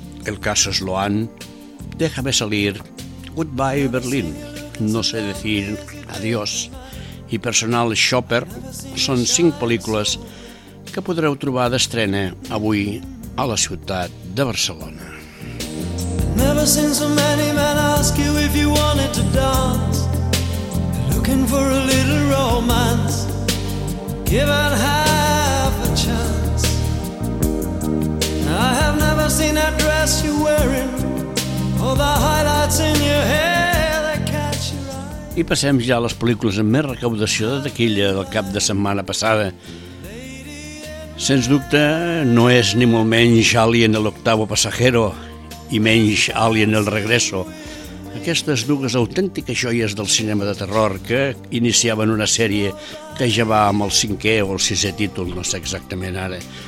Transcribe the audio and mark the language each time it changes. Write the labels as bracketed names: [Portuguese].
[Catalan] El cas és [Spanish] Loan, déjame salir, goodbye Berlín, no sé decir adiós. [Catalan] I Personal Shopper són cinc pel·lícules que podreu trobar d'estrena avui a la ciutat de Barcelona. [English] Never seen so many men ask you if you wanted to dance. Looking for a little romance, give it half a chance. I have never seen that dress you're wearing, all the highlights in your hair that catch your eye. [Catalan] I passem ja a les pel·lícules amb més recaudació de taquilla del cap de setmana passada. Sens dubte no és ni molt menys Alien el octavo pasajero i menys Alien el regreso. Aquestes dues autèntiques joies del cinema de terror que iniciaven una sèrie que ja va amb el cinquè o el sisè títol, no sé exactament ara.